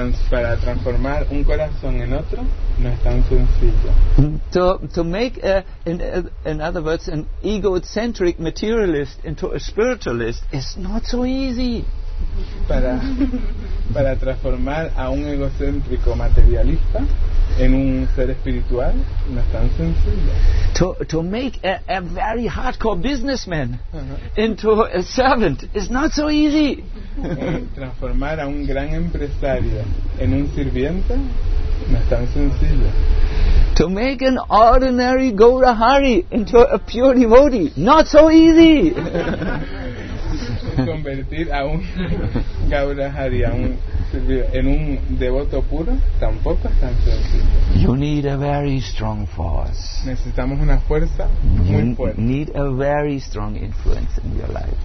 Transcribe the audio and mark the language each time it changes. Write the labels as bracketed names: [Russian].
[Spanish] Para transformar un corazón en otro, no es tan sencillo. [English] To make, in other words, an egocentric materialist into a spiritualist is not so easy. [Spanish] Para transformar a un egocéntrico materialista en un ser espiritual no es tan sencillo. [English] To make a very hardcore businessman into a servant is not so easy. [Spanish] Transformar a un gran empresario en un sirviente no es tan sencillo. [English] To make an ordinary Gaurahari into a pure devotee, not so easy. [Spanish] Convertir a un Gaurahari en un devoto puro tampoco es tan sencillo. [English] You need a very strong force. [Spanish] Necesitamos una fuerza muy fuerte. [English] You need a very strong influence in your life.